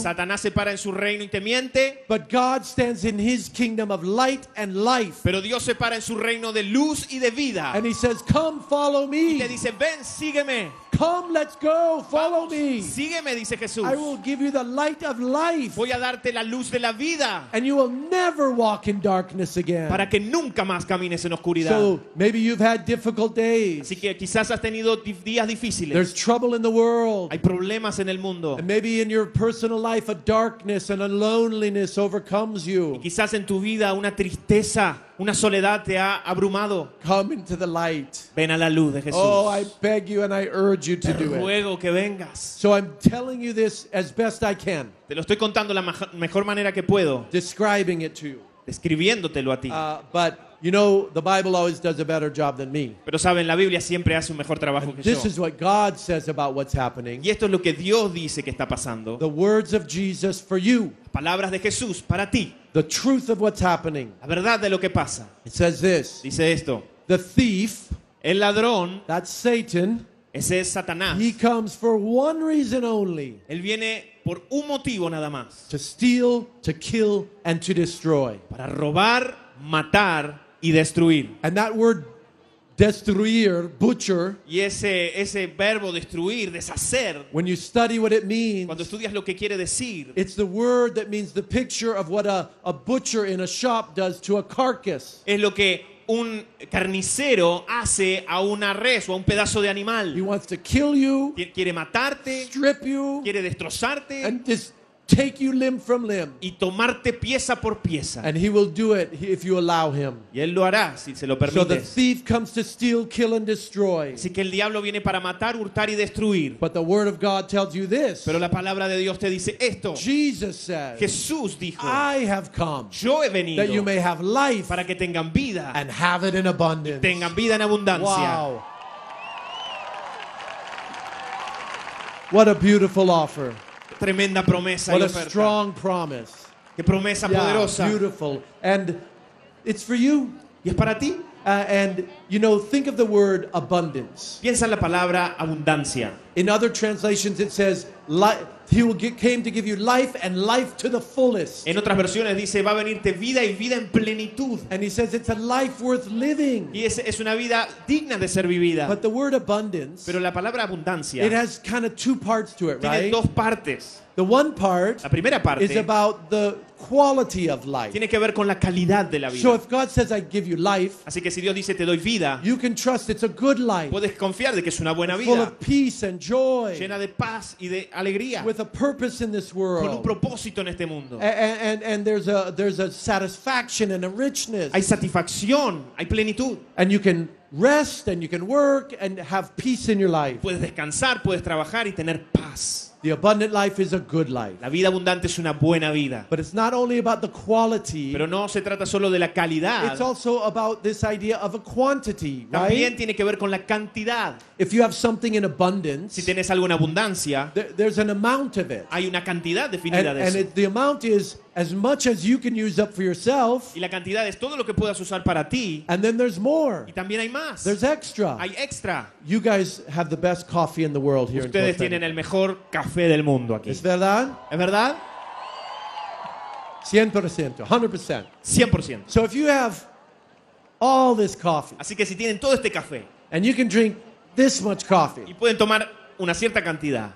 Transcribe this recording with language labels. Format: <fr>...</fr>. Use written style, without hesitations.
<es>Satanás se para en su reino y te miente.</es> <en>But God stands in his kingdom of light and life.</en> <es>Pero Dios se para en su reino de luz y de vida.</es> <en>And he says, "Come, follow me."</en> <es>Y te dice, ven, sígueme.</es> <en>Come, let's go. Follow me.</en> <es>Sígueme, dice Jesús.</es> <en>I will give you the light of life.</en> <es>Voy a darte la luz de la vida.</es> <en>And you will never walk in darkness again.</en> <es>Para que nunca más camines en oscuridad.</es> <en>So maybe you've had difficult days.</en> <es>Así que quizás has tenido días difíciles.</es> <en>There's trouble in the world.</en> <es>Hay problemas en el mundo.</es> <en>And maybe in your personal life a darkness and a loneliness overcomes you.</en> <es>Y quizás en tu vida una tristeza. Una soledad te ha abrumado.</es> <en>Come into the light.</en> <es>Ven a la luz de Jesús.</es> <en>Oh, I beg you and I urge you to do it.</en> <es>Te ruego que vengas.</es> <en>So I'm telling you this as best I can.</en> <es>Te lo estoy contando la mejor manera que puedo.</es> <en>Describing it to you.</en> <es>Describiéndotelo a ti.</es> <en>But you know the Bible always does a better job than me.</en> <es>Pero saben, la Biblia siempre hace un mejor trabajo que yo.</es> <en>This is what God says about what's happening.</en> <es>Y esto es lo que Dios dice que está pasando.</es> <en>The words of Jesus for you.</en> <es>Palabras de Jesús para ti.</es> <en>The truth of what's happening.</en> <es>La verdad de lo que pasa.</es> <en>It says this.</en> <es>Dice esto.</es> <en>The thief.</en> <es>El ladrón.</es> <en>That's Satan.</en> <es>Ese es Satanás.</es> <en>He comes for one reason only.</en> <es>Él viene por un motivo nada más.</es> <en>To steal, to kill, and to destroy.</en> <es>Para robar, matar y destruir.</es> <en>And that word destruir, butcher.</en> <es>Y ese verbo destruir, deshacer.</es> <en>When you study what it means.</en> <es>Cuando estudias lo que quiere decir.</es> <en>It's the word that means the picture of what a butcher in a shop does to a carcass.</en> <es>Es lo que un carnicero hace a una res o a un pedazo de animal.</es> <en>He wants to kill you.</en> <es>Quiere matarte.</es> <en>Strip you.</en> <es>Quiere destrozarte.</es> <en>And just take you limb from limb.</en> <es>Y tomarte pieza por pieza.</es> <en>And he will do it if you allow him.</en> <es>Y él lo hará si se lo permites.</es> <en>So the thief comes to steal, kill and destroy.</en> <es>Así que el diablo viene para matar, hurtar y destruir.</es> <en>But the word of God tells you this.</en> <es>Pero la palabra de Dios te dice esto.</es> <en>Jesus said.</en> <es>Jesús dijo.</es> <en>I have come.</en> <es>Yo he venido.</es> <en>That you may have life.</en> <es>Para que tengan vida.</es> <en>And have it in abundance.</en> <es>Y tengan vida en abundancia.</es> <en>Wow. What a beautiful offer.</en> <es>Tremenda promesa.</es> <en>What a strong promise.</en> <es>Qué promesa poderosa.</es> <en>Beautiful. And it's for you.</en> <es>Y es para ti.</es> <en>And you know, think of the word abundance.</en> <es>Piensa en la palabra abundancia.</es> <en>In other translations it says He came to give you life and life to the fullest.</en> <es>En otras versiones dice va a venirte vida y vida en plenitud.</es> <en>And he says it's a life worth living.</en> <es>Y es una vida digna de ser vivida.</es> <en>But the word abundance.</en> <es>Pero la palabra abundancia.</es> <en>It has kind of two parts to it,</en> <es>tiene Dos partes.</es> <en>The one part.</en> <es>La primera parte.</es> <en>Is about the quality of life.</en> <es>Tiene que ver con la calidad de la vida.</es> <en>So if God says I give you life,</en> <es>así que si Dios dice te doy vida,</es> <en>you can trust it's a good life.</en> <es>Puedes confiar de que es una buena vida.</es> <en>Full of peace and joy.</en> <es>Llena de paz y de alegría.</es> <en>With a purpose in this world.</en> <es>Con un propósito en este mundo.</es> <en>And there's a satisfaction and a richness.</en> <es>Hay satisfacción, hay plenitud.</es> <en>And you can rest and you can work and have peace in your life.</en> <es>Puedes descansar, puedes trabajar y tener paz.</es> <en>The abundant life is a good life.</en> <es>La vida abundante es una buena vida.</es> <en>But it's not only about the quality.</en> <es>Pero no se trata solo de la calidad.</es> <en>It's also about this idea of a quantity,</en> <es>también</es> <en>right?</en> <es>También tiene que ver con la cantidad.</es> <en>If you have something in abundance,</en> <es>si tienes algo en abundancia,</es> <en>there's an amount of it.</en> <es>Hay una cantidad definida de eso.</es> <en>And the amount is as much as you can use up for yourself.</en> <es>Y la cantidad es todo lo que puedas usar para ti.</es> <en>And then there's more.</en> <es>Y también hay más.</es> <en>There's extra.</en> <es>Hay extra.</es> <en>You guys have the best coffee in the world here.</en> <es>Ustedes tienen el mejor café del mundo aquí. ¿Es verdad? ¿Es verdad?</es> <en>100%. 100%.</en> <es>100%.</es> <en>So if you have all this coffee.</en> <es>Así que si tienen todo este café.</es> <en>And you can drink this much coffee.</en> <es>Y pueden tomar una cierta cantidad.</es>